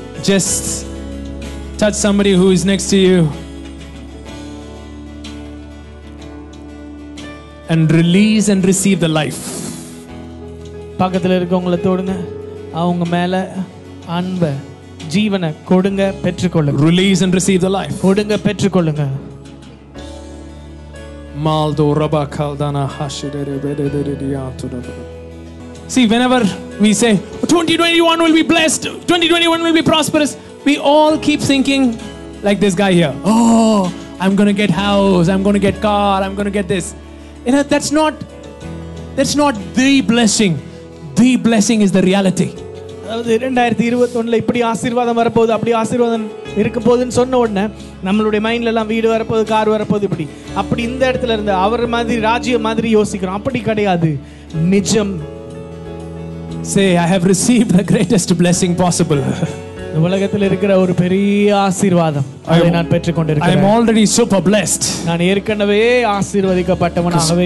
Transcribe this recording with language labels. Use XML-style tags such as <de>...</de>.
<en>Just touch somebody who is next to you and release and receive the life.</en> <ta>பக்கத்துல இருக்கவங்களை தொடுங்க, அவங்க மேல அன்பை ஜீவனை கொடுங்க, பெற்றுக்கொள்ளுங்க.</ta> <en>Release and receive the life.</en> <ta>கொடுங்க, பெற்றுக்கொள்ளுங்க. மால்தோ ரபா கல்தானா ஹஷிடரே.</ta> <en>See, whenever we say 2021 will be blessed, 2021 will be prosperous, we all keep thinking like this guy here. Oh, I'm going to get house, I'm going to get car, I'm going to get this. You know, that's not the blessing. The blessing is the reality.</en> <ta>அதாவது 2021ல இப்படி ஆசீர்வாதம் வரப்போகுது, அப்படி ஆசீர்வாதம் இருக்க போகுதுன்னு சொன்ன உடனே நம்மளுடைய மைண்ட்ல எல்லாம் வீடு வரப்போகுது, கார் வரப்போகுது, இப்படி அப்படி இந்த இடத்துல இருந்து அவர் மாதிரி ராஜ்யம் மாதிரி யோசிக்கிறோம். அப்படி கிடையாது. நிஜம்.</ta> <en>Say, I have received the greatest blessing possible.</en> <ta>உலகத்தில் இருக்கிற ஒரு பெரிய ஆசீர்வாதம் நான் பெற்றுக் கொண்டிருக்கிறேன்.</ta> <en>I am already super blessed.</en> <ta>நான் ஏற்கனவே ஆசீர்வதிக்கப்பட்டவனாகவே</ta>